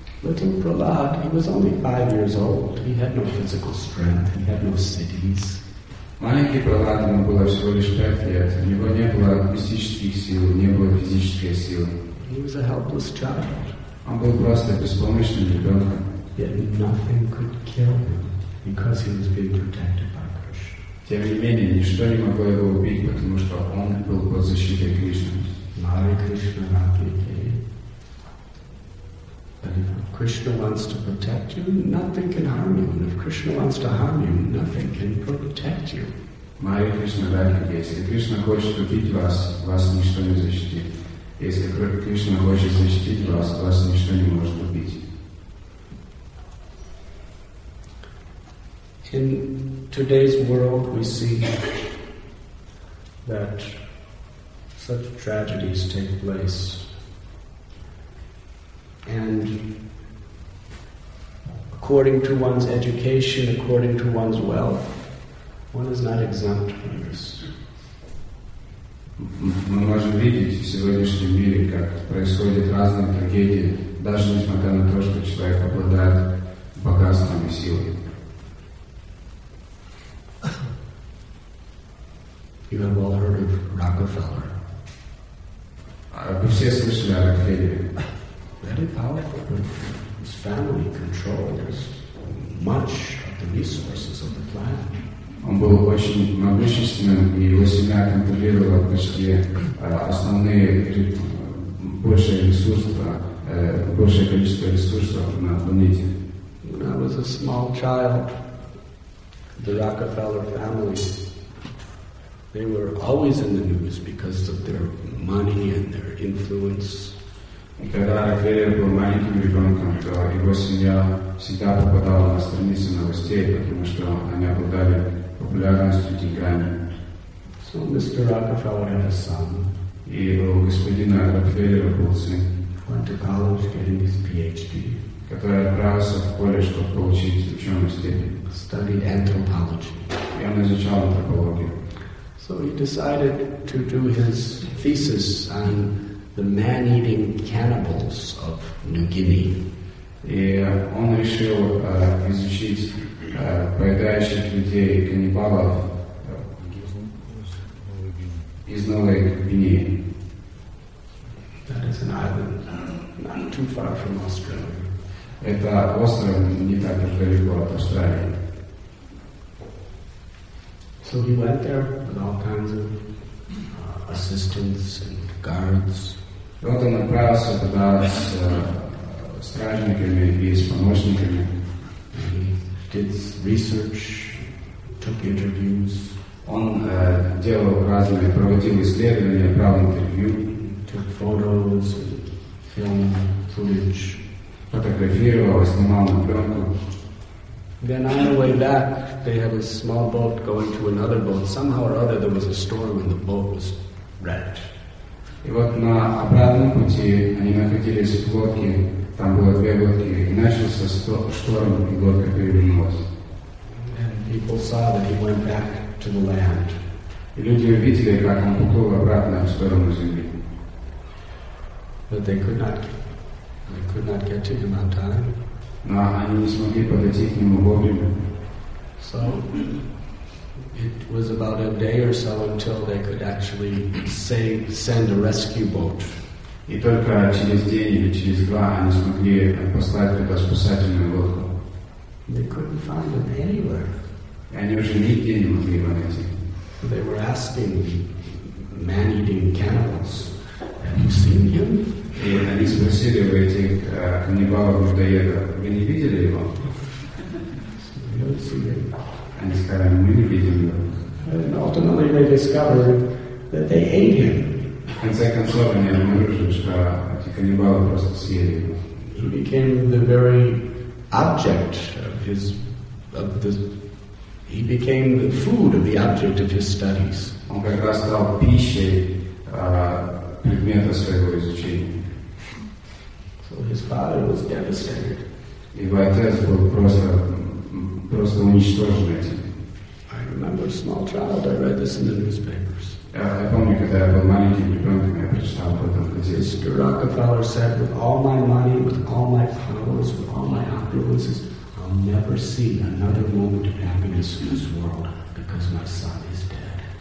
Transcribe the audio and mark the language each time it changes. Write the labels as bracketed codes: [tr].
[en] Little Prahlad, he was only 5 years old. He had no physical strength. He had no cities. [ru] Маленький Прохлад, ему было всего лишь 5 лет. У него не было мистических сил, не было физической силы. [en] He was a helpless child. [ru] Он был просто беспомощным ребенком. [en] Yet nothing could kill him because he was being protected by Krishna. [ru] Тем не менее, ничто не могло его убить, потому что он был под защитой Кришны. [sa] Hare Krishna, Radhike. [en] But if Krishna wants to protect you, nothing can harm you. And if Krishna wants to harm you, nothing can protect you. [sa] Hare Krishna, Radhike. [ru] Если Кришна хочет убить вас, вас ничто не защитит. Если Кришна хочет защитить вас, вас ничто не может убить. [en] In today's world, we see that such tragedies take place. And according to one's education, according to one's wealth, one is not exempt from this. [ru] Мы можем видеть в сегодняшнем мире, как происходят разные трагедии, даже несмотря на то, что человек обладает богатством и силой. [en] You have all heard of Rockefeller. [ru] Вы все слышали о Рокфеллере. [en] Very powerful. His family controls much of the resources of the planet. [ru] Он был очень могущественным, и его семья контролировала почти основные большее количество ресурсов на планете. [en] When I was a small child, the Rockefeller family, they were always in the news because of their money and their influence. [ru] И когда Рокфеллер был маленьким ребенком, то его семья всегда попадала на страницы новостей, потому что они обладали популярностью и деньгами. [en] So Mr. Rockefeller had a son. [ru] И у господина Рокфеллера был сын. [en] Went to college getting his PhD. [ru] Который отправился в колледж, чтобы получить ученую степень. [en] Studied anthropology. [ru] И он изучал антропологию. [en] So he decided to do his thesis on the man-eating cannibals of New Guinea. [ru] И он решил изучить поедающих людей каннибалов из Новой Гвинеи. [en] That is an island not too far from Australia. [ru] Это остров не так далеко от Австралии. [en] So he went there with all kinds of assistants and guards. [ru] Вот он отправился туда с стражниками и с помощниками. [en] He did research, took interviews. [ru] Он делал разные, проводил исследования, брал интервью. [en] Took photos and film footage. [ru] Фотографировал, снимал на пленку. [en] Then on the way back, they had a small boat going to another boat. Somehow or other, there was a storm and the boat was wrecked. [ru] И вот на обратном пути они находились в лодке, там было 2 лодки, и начался шторм, и лодка перевернулась. [en] And people saw that he went back to the land. [ru] И люди увидели, как он поплыл обратно в сторону земли. [en] But they could not get to him on time. [ru] Но они не смогли подойти к нему вовремя. [en] So it was about a day or so until they could actually send a rescue boat. [ru] И только через день или через 2 они смогли послать туда спасательную лодку. [en] They couldn't find him anywhere. [ru] И они уже нигде не могли его найти. [en] They were asking man-eating cannibals, "Have you seen him?" [ru] И они спросили у этих каннибалов-людоедов, вы не видели его? Мы не видели его. Они сказали, мы не видели его. [en] And ultimately they discover that they hate him. [ru] В конце концов они обнаружили, что эти каннибалы просто съели его. [en] He became the very object of his of the he became the food of the object of his studies. [ru] Он как раз стал пищей предмета своего изучения. [en] So his father was devastated. [ru] Его отец был просто уничтожен этим. [en] I remember a small child, I read this in the newspapers. [ru] Я помню, когда я был маленьким ребенком, я прочитал об этом в газете. [en] Rockefeller said, with all my money, with all my powers, with all my opulences, I'll never see another moment of happiness in this world because my son is dead.